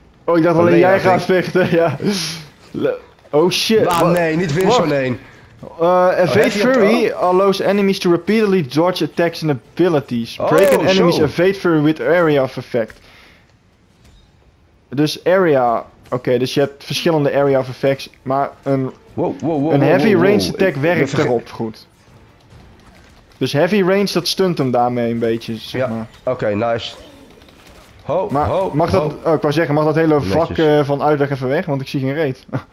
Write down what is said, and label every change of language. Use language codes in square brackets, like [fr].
[nl] Oh, ik dacht alleen jij gaat vechten, ja. [en] Oh shit. [nl] Ah nee, niet weer zo'n één. [en] Evade Fury allows enemies to repeatedly dodge attacks and abilities. Break an enemy's evade Fury with area of effect. [nl] Dus area. Oké, dus je hebt verschillende area of effects, maar een heavy range attack werkt erop goed. Dus heavy range, dat stunt hem daarmee een beetje, zeg maar. Ja, oké, nice. Ho, maar ho, mag ho. Dat, oh, ik wou zeggen, mag dat hele vak van uitleg even weg, want ik zie geen reet.